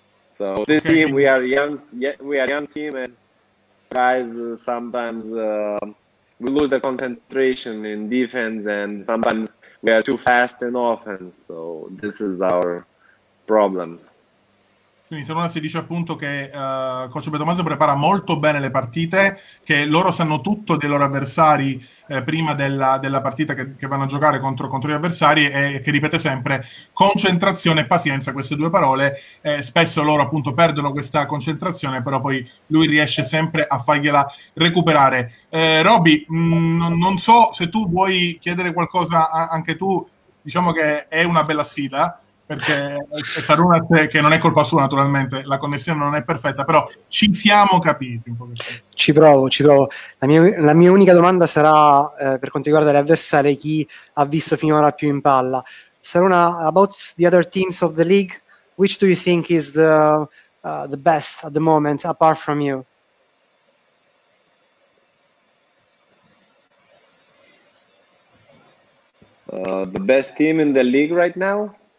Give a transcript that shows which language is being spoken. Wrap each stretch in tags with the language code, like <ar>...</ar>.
<en>So this team, we are young team, and guys sometimes we lose the concentration in defense, and sometimes we are too fast in offense. So this is our problems.</en> <it>Quindi Savona si dice appunto che Coach Betomazzo prepara molto bene le partite, che loro sanno tutto dei loro avversari prima della partita che vanno a giocare contro gli avversari, e che ripete sempre concentrazione e pazienza, queste due parole. Spesso loro appunto perdono questa concentrazione, però poi lui riesce sempre a fargliela recuperare. Roby, non so se tu vuoi chiedere qualcosa anche tu, diciamo che è una bella sfida, perché Sarunas, che non è colpa sua naturalmente, la connessione non è perfetta, però ci siamo capiti un po'. Ci provo. La mia unica domanda sarà, per quanto riguarda l'avversario, chi ha visto finora più in palla.</it> <en>Sarunas, about the other teams of the league, which do you think is the best at the moment, apart from you? The best team in the league right now?</en>